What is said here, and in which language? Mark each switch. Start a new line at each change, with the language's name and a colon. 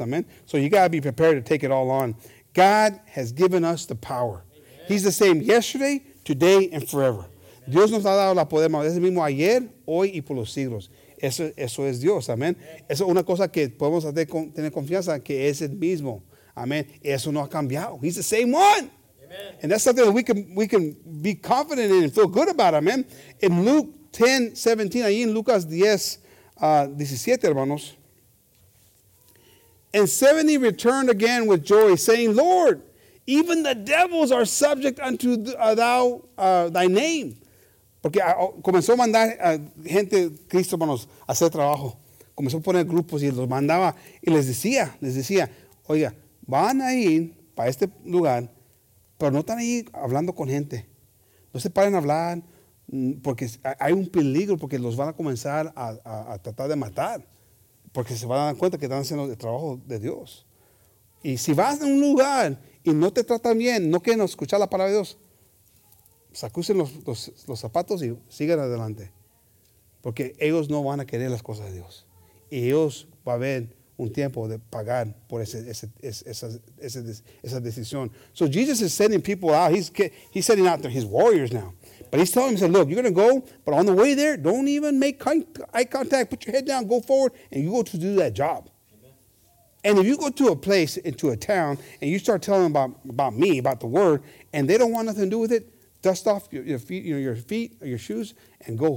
English: Amen. So you got to be prepared to take it all on. God has given us the power. He's the same yesterday, today, and forever. Amen.
Spanish: Dios nos ha dado la poder, es el mismo ayer, hoy y por los siglos. Eso es Dios, amén. Es una cosa que podemos tener confianza, que es el mismo, amén. Eso no ha cambiado.
English: He's the same one. Amen. And that's something that we can be confident in and feel good about, amén. In Luke 10:17,
Spanish: ahí en Lucas 10:17, hermanos.
English: And 70 returned again with joy, saying, Lord, even the devils are subject unto thy name.
Spanish: Porque comenzó a mandar a gente, Cristo, hermanos, a hacer trabajo. Comenzó a poner grupos y los mandaba. Y les decía, oiga, van a ir para este lugar, pero no están ahí hablando con gente. No se paren a hablar, porque hay un peligro, porque los van a comenzar a tratar de matar. Porque se van a dar cuenta que están haciendo el trabajo de Dios. Y si vas a un lugar y no te tratan bien, no quieren escuchar la palabra de Dios, sacúsen los zapatos y sigan adelante. Porque ellos no van a querer las cosas de Dios. Y ellos va a haber un tiempo de pagar por esa decisión.
English: So Jesus is sending people out. He's sending out his warriors now. But he's telling them, he said, look, you're going to go, but on the way there, don't even make eye contact. Put your head down, go forward, and you go to do that job. And if you go to a place, into a town, and you start telling them about me, about the word, and they don't want nothing to do with it, dust off your feet, your feet or your shoes, and go.